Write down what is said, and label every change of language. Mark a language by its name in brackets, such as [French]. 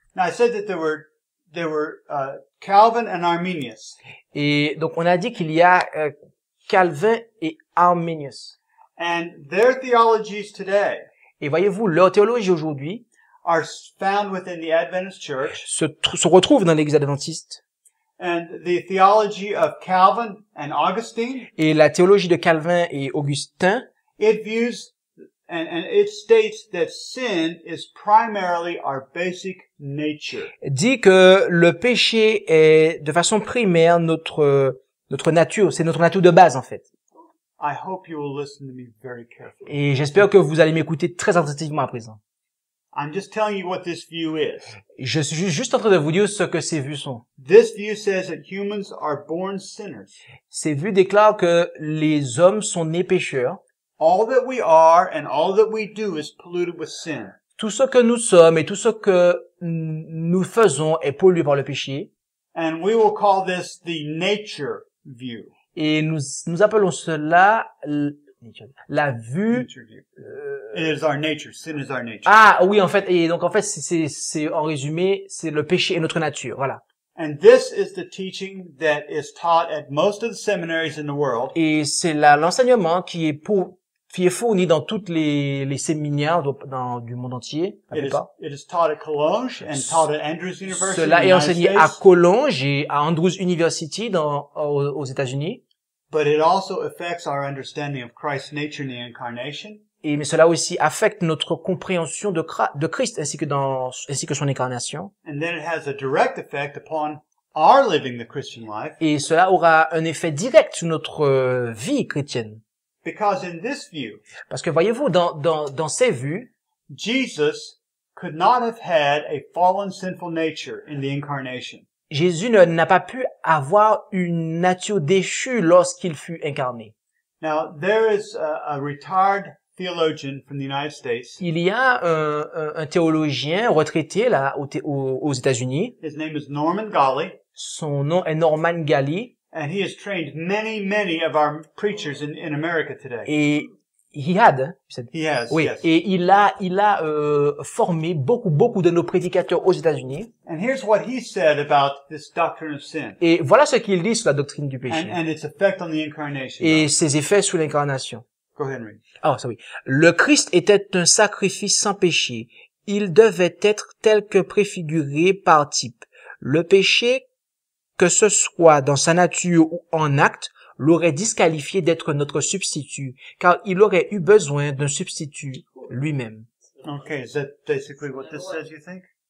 [English] Now I said that there were Calvin and Arminius. [French] Et donc on a dit qu'il y a Calvin et Arminius. [English] And their theologies today. [French] Et voyez-vous, leur théologie aujourd'hui [English] are found within the Adventist Church. [French] Se retrouve dans l'Église adventiste. [English] And the theology of Calvin and Augustine. [French] Et la théologie de Calvin et Augustin. [English] It views and it states that sin is primarily our basic nature. [French] Dit que le péché est de façon primaire notre nature, c'est notre nature de base en fait. [English] I hope you will listen to me very carefully. [French] Et j'espère que vous allez m'écouter très attentivement à présent. [English] I'm just telling you what this view is. [French] Je suis juste en train de vous dire ce que ces vues sont. [English] This view says that humans are born sinners. [French] Ces vues déclarent que les hommes sont nés pécheurs. [English] All that we are and all that we do is polluted with sin. [French] Tout ce que nous sommes et tout ce que nous faisons est pollué par le péché. [English] And we will call this the nature view. [French] Et nous appelons cela la vue. [English] It is our nature. Sin is our nature. [French] Ah oui, en fait, et donc en fait, c'est en résumé, c'est le péché et notre nature, voilà. [English] And this is the teaching that is taught at most of the seminaries in the world. [French] Et c'est l'enseignement qui est fourni dans toutes les séminaires du monde entier. [English] It is taught at Cologne and taught at Andrews University. [French] Cela est enseigné à Cologne et à Andrews University aux États-Unis. [English] But it also affects our understanding of Christ's nature and the incarnation. [French] Mais cela aussi affecte notre compréhension de Christ ainsi que son incarnation. [English] And then it has a direct effect upon our living the Christian life. [French] Et cela aura un effet direct sur notre vie chrétienne. [English] Because in this view, [French] parce que voyez-vous, dans ces vues, [English] Jesus could not have had a fallen sinful nature in the incarnation. [French] Jésus n'a pas pu avoir une nature déchue lorsqu'il fut incarné. [English] Now there is a retired theologian from the United States. [French] Il y a un théologien retraité là aux États-Unis. [English] His name is Norman Galley. [French] Son nom est Norman Galley. [English] And he has trained many, many of our preachers in America today. Et he had. He has. [French] Oui. [English] Yes. [French] Et il a formé beaucoup, beaucoup de nos prédicateurs aux États-Unis. [English] And here's what he said about this doctrine of sin. [French] Et voilà ce qu'il dit sur la doctrine du péché. [English] And its effect on the incarnation. [French] Et ses effets sur l'incarnation. [English] Go ahead, Henry. Oh, sorry. [French] Le Christ était un sacrifice sans péché. Il devait être tel que préfiguré par type. Le péché, que ce soit dans sa nature ou en acte, l'aurait disqualifié d'être notre substitut, car il aurait eu besoin d'un substitut lui-même. [English] Okay, is that basically what this says, you think?